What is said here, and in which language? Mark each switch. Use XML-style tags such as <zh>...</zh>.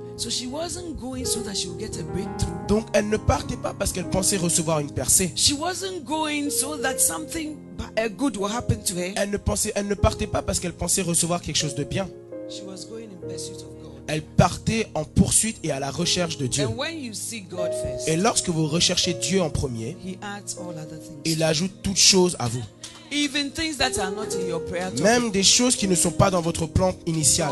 <en>So she wasn't going so that she would get a breakthrough.</en> <fr>Donc elle ne partait pas parce qu'elle pensait recevoir une percée.</fr> <en>She wasn't going so that something good would happen to her.</en> <fr>Elle ne partait pas parce qu'elle pensait recevoir quelque chose de bien.</fr> <en>She was going in pursuit of God.</en> <fr>Elle partait en poursuite et à la recherche de Dieu.</fr> <en>And when you see God first,</en> <fr>et lorsque vous recherchez Dieu en premier,</fr> <en>he adds all other things.</en> <fr>Il ajoute toutes choses à vous.</fr> <en>Even things that are not in your prayer topic.</en> <fr>Même des choses qui ne sont pas dans votre plan initial,</fr>